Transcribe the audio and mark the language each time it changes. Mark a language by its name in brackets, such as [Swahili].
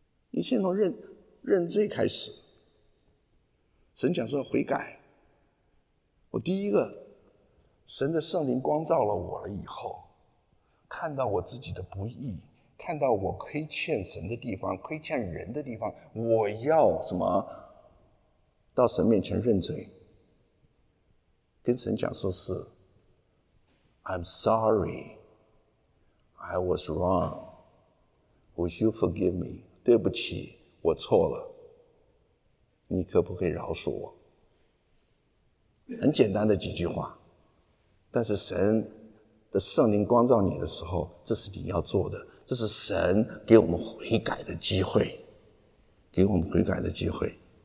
[Chinese] 你先从认罪开始。神讲说悔改，我第一个，神的圣灵光照了我了以后，看到我自己的不义，看到我亏欠神的地方，亏欠人的地方，我要什么？到神面前认罪，跟神讲说是 [English] I'm sorry, I was wrong, would you forgive me? [Chinese] 对不起，我错了，你可不可以饶恕我？很简单的几句话，但是神的圣灵光照你的时候，这是你要做的，这是神给我们悔改的机会，给我们悔改的机会。